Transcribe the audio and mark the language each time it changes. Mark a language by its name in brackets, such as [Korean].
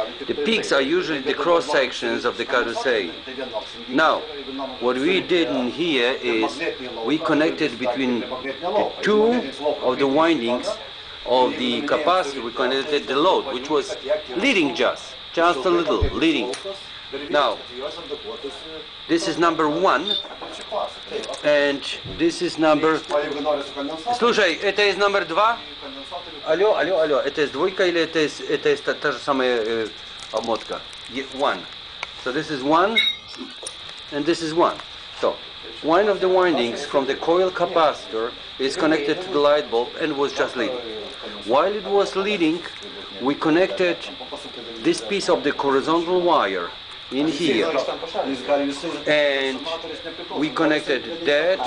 [English] The peaks are usually the cross sections of the carousel. Now, what we did in here is we connected between the two of the windings of the capacitor, we connected the load, which was leading just a little, leading. Now, this is number one, and this is number... [Russian] Слушай, это из номер два? Алло, алло, алло, это из двойка или это из та же самая обмотка? [English] One. So this is one, and this is one. So, one of the windings from the coil capacitor is connected to the light bulb and was just leading. While it was leading, we connected this piece of the horizontal wire in here, and we connected that.